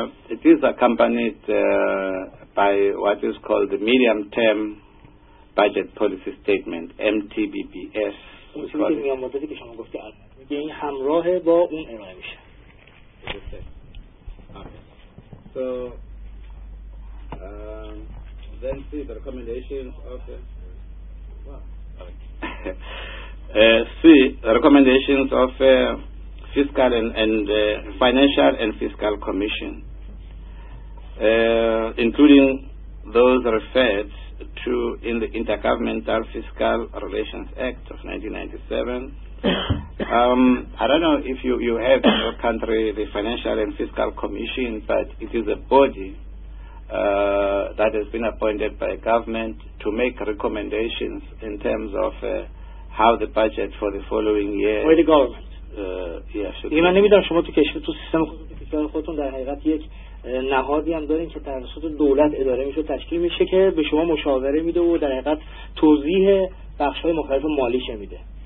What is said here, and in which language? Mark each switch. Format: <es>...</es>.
<en>That's it. It is accompanied by what is called the medium term budget policy statement, MTBPS.</en> <fa>این میان مدتی که شما گفتی آن میگه این همراه با اون ارائه میشه.</fa> <en>So then see the recommendations of fiscal and financial and fiscal commission including those referred to in the Intergovernmental Fiscal Relations Act of 1997. I don't know if you have in your country the Financial and Fiscal Commission, but it is a body that has been appointed by government to make recommendations in terms of how the budget for the following year. Where the government? Yes.</en> <fa>من نمیدونم شما تو کشور تو سیستم خودتون در حقیقت یک نهادی هم دارین که توسط دولت اداره میشه تشکیل میشه که به شما مشاوره میده و در حقیقت توضیح بخش‌های مختلف مالیش میده.</fa>